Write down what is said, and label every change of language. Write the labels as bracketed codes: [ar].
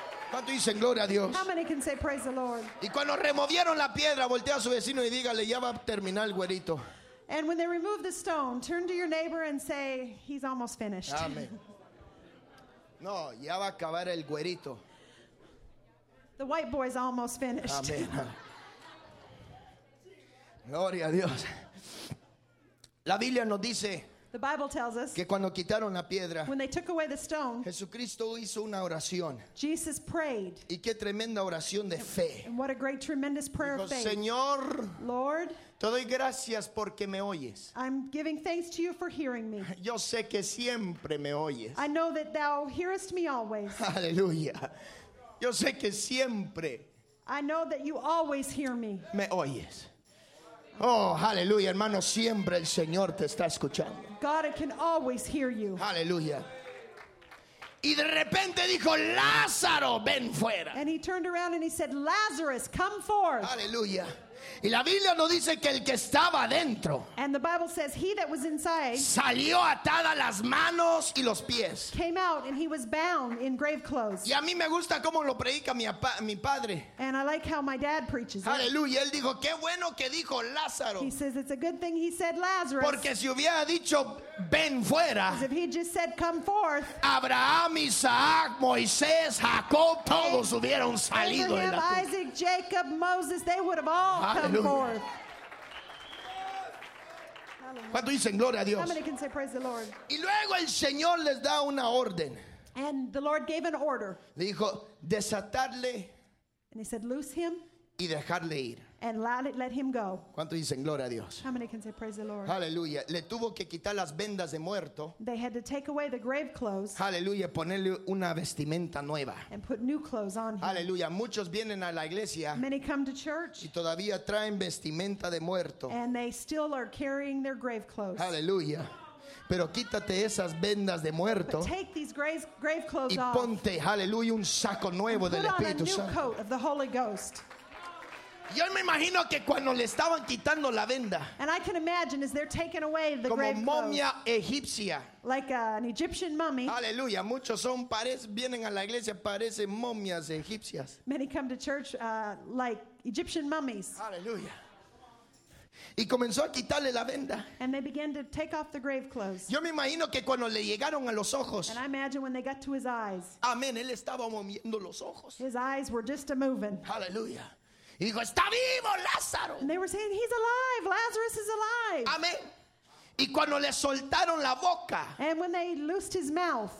[es] ¿Cuánto dicen gloria a Dios? Y cuando removieron la piedra, voltea a su vecino y dígale, ya va a terminar el güerito. [en] And when they remove the stone, turn to your neighbor and say, he's almost finished. [es] Amén. No, ya va a acabar el güerito. [en] The white boy's almost finished. Amén. [es] Gloria a Dios. La Biblia nos dice. [en] The Bible tells us. [es] Que cuando quitaron la piedra. [en] When they took away the stone. [es] Jesucristo hizo una oración. [en] Jesus prayed. [es] Y qué tremenda oración de fe. [en] And what a great tremendous prayer [es] dijo, [en] of faith. [es] Señor. [en] Lord. [es] Te doy gracias porque me oyes. [en] I'm giving thanks to you for hearing me. [es] Yo sé que siempre me oyes. [en] I know that thou hearest me always. [es] Aleluya. Yo sé que siempre. [en] I know that you always hear me. [es] Me oyes. Oh, aleluya, hermano, siempre el Señor te está escuchando. [en] God can always hear you. [es] Aleluya. Y de repente dijo, Lázaro, ven fuera. [en] And he turned around and he said, Lazarus, come forth. Aleluya. [es] Y la Biblia nos dice que el que estaba adentro. [en] And the Bible says he that was inside. [es] Salió atada las manos y los pies. [en] Came out and he was bound in grave clothes. [es] Y a mí me gusta cómo lo predica mi padre. [en] And I like how my dad preaches. [es] Aleluya, él dijo, qué bueno que dijo Lázaro. [en] He says it's a good thing he said Lazarus. [es] Porque si hubiera dicho ven fuera. [en] If he just said come forth. [es] Abraham, Isaac, Moisés, Jacob, todos hubieran salido [en] Abraham, [es] de la tumba. [en] Isaac, Jacob, Moses, they would have all come forth. [es] ¿Cuántos dicen gloria a Dios? [en] How many can say praise the Lord? [es] Y luego el Señor les da una orden. [en] And the Lord gave an order. [es] Le dijo, desatarle. [en] And he said, loose him. [es] Y dejarle ir. [en] And let him go. [es] ¿Cuántos dicen gloria a Dios? [en] How many can say praise the Lord? Hallelujah. [es] Le tuvo que quitar las vendas de muerto. [en] They had to take away the grave clothes. [es] Hallelujah. Ponerle una vestimenta nueva. [en] And put new clothes on him. [es] Hallelujah. Muchos vienen a la iglesia. [en] Many come to church. [es] Y todavía traen vestimenta de muerto. [en] And they still are carrying their grave clothes. [es] Hallelujah. Pero quítate esas vendas de muerto. [en] But take these grave clothes [es] y ponte, hallelujah, un saco nuevo del Espíritu Santo. [en] Put on a new coat of the Holy Ghost. [es] Yo me imagino que cuando le estaban quitando la venda, [en] and I can imagine as they're taking away the [es] como [en] grave [es] momia [en] clothes, [es] egipcia, [en] like an Egyptian mummy. Hallelujah. [es] Muchos son vienen a la iglesia parecen momias egipcias. [en] Many come to church like Egyptian mummies. [es] Hallelujah. Y comenzó a quitarle la venda. [en] And they began to take off the grave clothes. [es] Yo me imagino que cuando le llegaron a los ojos. [en] And I imagine when they got to his eyes. [es] Amén. Él estaba moviendo los ojos. [en] His eyes were just a-moving. [es] Hallelujah. Y dijo, está vivo, Lázaro. [en] And they were saying, he's alive. Lazarus is alive. [es] Amén. Y cuando le soltaron la boca. [en] And when they loosed his mouth.